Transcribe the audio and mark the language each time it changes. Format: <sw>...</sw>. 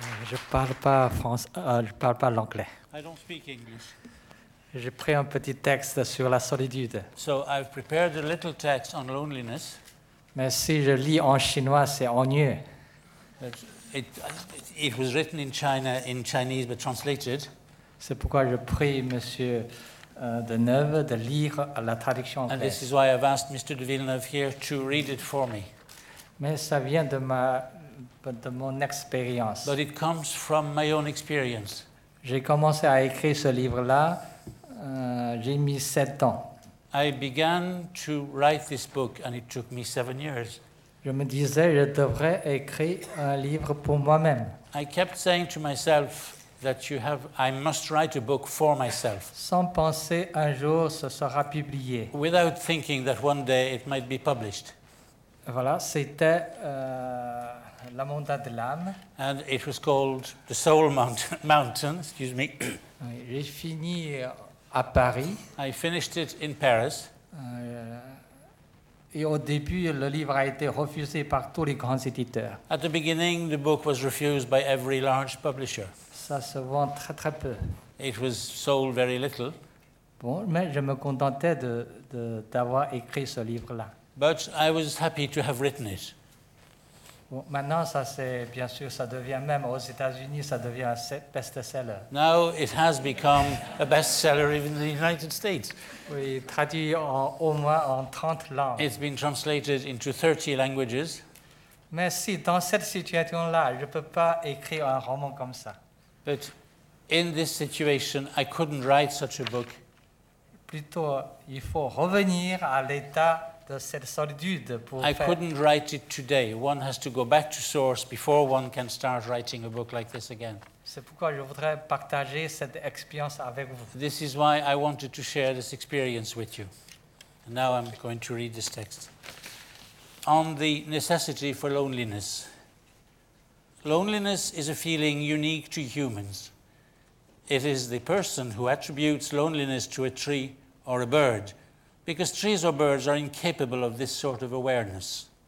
<fr>Je parle pas français, je parle pas l'anglais.</fr> <en>I don't speak English.</en> <fr>J'ai pris un petit texte sur la solitude.</fr> <en>So I've prepared a little text on loneliness.</en> <fr>Mais si je lis en chinois, c'est ennuyeux.</fr> <en>It was written in China in Chinese but translated.</en> <fr>C'est pourquoi je prie monsieur Deneuve de lire la traduction en anglais.</fr> <en>And this is why I've asked Mr. Deneuve here to read it for me.</en> <fr>Mais ça vient de mon expérience.</fr> <en>But it comes from my own experience.</en> <fr>J'ai commencé à écrire ce livre-là, j'ai mis 7 ans.</fr> <en>I began to write this book and it took me 7 years.</en> <fr>Je me disais, je devrais écrire un livre pour moi-même.</fr> <en>I kept saying to myself that I must write a book for myself.</en> <fr>Sans penser un jour ce sera publié.</fr> <en>Without thinking that one day it might be published.</en> <fr>Voilà, c'était la montagne de l'âme.</fr> <en>And it was called the soul mountain, excuse me.</en> <fr>J'ai fini à Paris.</fr> <en>I finished it in Paris.</en> <fr>Et au début, le livre a été refusé par tous les grands éditeurs.</fr> <en>At the beginning, the book was refused by every large publisher.</en> <fr>Ça se vend très très peu.</fr> <en>It was sold very little.</en> <fr>Bon, mais je me contentais d'avoir écrit ce livre-là.</fr> <en>But I was happy to have written it.</en> <fr>Bon, maintenant, ça c'est bien sûr, ça devient même aux États-Unis, ça devient un best-seller.</fr> <en>Now it has become a best-seller even in the United States.</en> <fr>Oui, traduit en au moins en 30 langues.</fr> <en>It's been translated into 30 languages.</en> <fr>Mais si dans cette situation-là, je peux pas écrire un roman comme ça.</fr> <en>But in this situation, I couldn't write such a book.</en> <fr>Plutôt, il faut revenir à l'état.</fr> <en>I couldn't write it today. One has to go back to source before one can start writing a book like this again.</en> <fr>C'est pourquoi je voudrais partager cette expérience avec vous.</fr> <en>This is why I wanted to share this experience with you. And now I'm going to read this text. On the necessity for loneliness. Loneliness is a feeling unique to humans. It is the person who attributes loneliness to a tree or a bird, because trees or birds are incapable of this sort of awareness.</en>